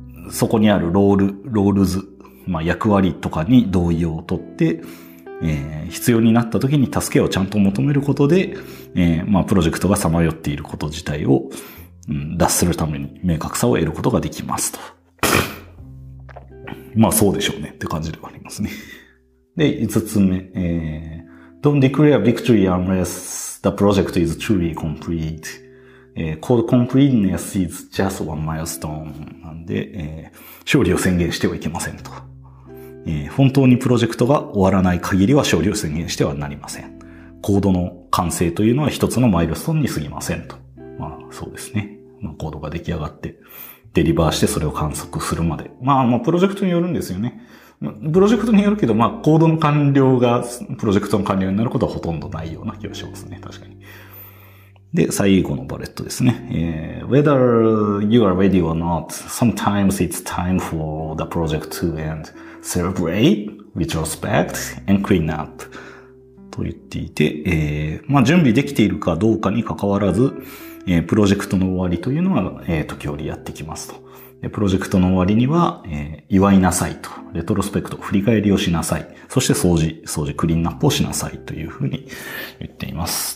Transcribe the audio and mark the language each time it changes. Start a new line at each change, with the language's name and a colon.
Japanese: そこにあるロールズ、まあ、役割とかに同意を取って、必要になった時に助けをちゃんと求めることで、まあ、プロジェクトがさまよっていること自体を、脱するために明確さを得ることができますと。まあそうでしょうねって感じではありますね。で、5つ目。
English: Don't declare victory unless the project is truly complete. Completeness is just one milestone.
Japanese: なんで、勝利を宣言してはいけませんと。本当にプロジェクトが終わらない限りは勝利を宣言してはなりません。コードの完成というのは一つのマイルストーンに過ぎませんと。まあそうですね。まあコードが出来上がって、デリバーしてそれを観測するまで。まあまあプロジェクトによるんですよね。プロジェクトによるけど、まあコードの完了がプロジェクトの完了になることはほとんどないような気がしますね。確かに。で、最後のバレットですね。
English: Whether you are ready or not, sometimes it's time for the project to end. Celebrate, retrospect, and clean up.
Japanese: と言っていて、まあ準備できているかどうかに関わらず、プロジェクトの終わりというのは、時折やってきますと。で、プロジェクトの終わりには、祝いなさいと。レトロスペクト、振り返りをしなさい。そして掃除、クリーンアップをしなさいというふうに言っています。